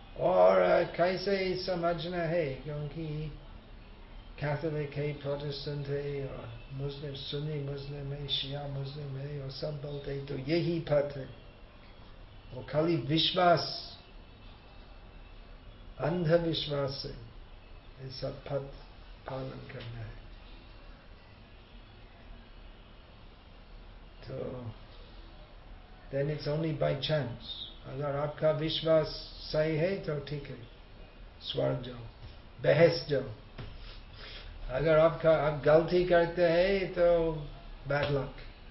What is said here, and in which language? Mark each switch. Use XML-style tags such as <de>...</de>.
<hi>और कैसे समझना है, क्योंकि कैथोलिक है, प्रोटेस्टेंट है, और मुस्लिम, सुन्नी मुस्लिम है, शिया मुस्लिम है, और सब बोलते हैं तो यही पथ है। वो खाली विश्वास, अंधविश्वास से ऐसा पथ पालन करना है।</hi> <en>तो then it's only by chance.</en> <hi>अगर आपका विश्वास सही है तो ठीक है, स्वर्ग जाओ, बहस जाओ। अगर आपका आप गलती करते हैं तो</hi> <en>bad luck.</en>